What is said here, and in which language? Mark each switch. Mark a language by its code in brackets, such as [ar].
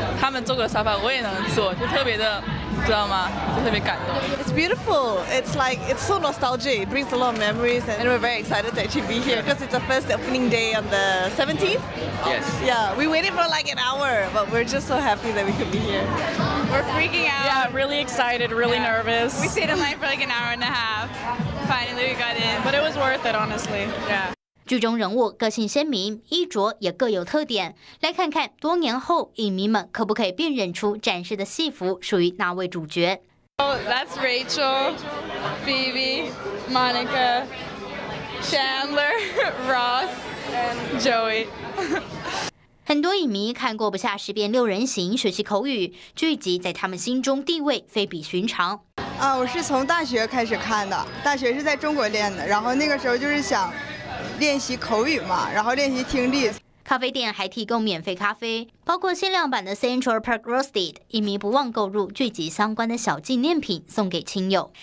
[zh] 他们坐个沙发我也能坐，就特别的，知道吗？就特别感动。 [en] It's beautiful. It's like it's so nostalgic. It brings a lot of memories, and we're very excited to actually be here because it's the first opening day on the 17th. Yes. Yeah, we waited for like an hour, but we're just so happy that we could be here. We're freaking out. Yeah, really excited, really nervous. We stayed in line for like an hour and a half. Finally, we got in, but it was worth it, honestly. Yeah. [zh] 剧中人物个性鲜明，衣着也各有特点，来看看多年后影迷们可不可以辨认出展示的戏服属于哪位主角。 [en] Oh, that's Rachel, Phoebe, Monica, Chandler, Ross, and Joey. [zh] 很多影迷看过不下十遍六人行学习口语，剧集在他们心中地位非比寻常。我是从大学开始看的，大学是在中国练的，然后那个时候就是想练习口语嘛，然后练习听力。咖啡店还提供免费咖啡，包括限量版的 Central Park Roasted， 影迷不忘购入剧集相关的小纪念品送给亲友。